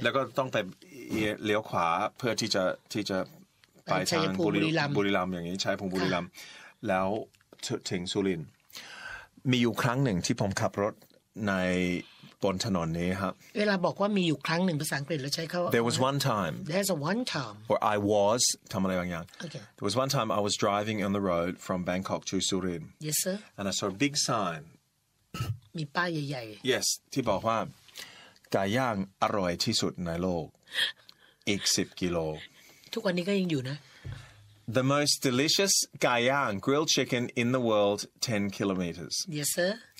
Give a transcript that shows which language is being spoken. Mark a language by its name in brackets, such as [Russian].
[Thai] แล้วก็ต้องไปเลี้ยวขวาเพื่อที่จะไปทาง บุรีรัมย์ อย่างนี้ชัยภูมิบุรีรัมย์แล้วถึงสุรินทร์มีอยู่ครั้งหนึ่งที่ผมขับรถในบนถนนนี้ครับ เวลาบอกว่ามีอยู่ครั้งหนึ่งภาษาอังกฤษเราใช้คำว่า [English] there was one time or I was [Thai] ทำอะไรบางอย่าง [English] there was one time I was driving on the road from Bangkok to Surin yes sir and I saw a big sign [Thai] มีป้ายใหญ่ yes ที่บอกว่าไก่ย่างอร่อยที่สุดในโลกอีก10กิโล ทุกวันนี้ก็ยังอยู่นะ [English] the most delicious ไก่ย่าง grilled chicken in the world 10 kilometers yes sir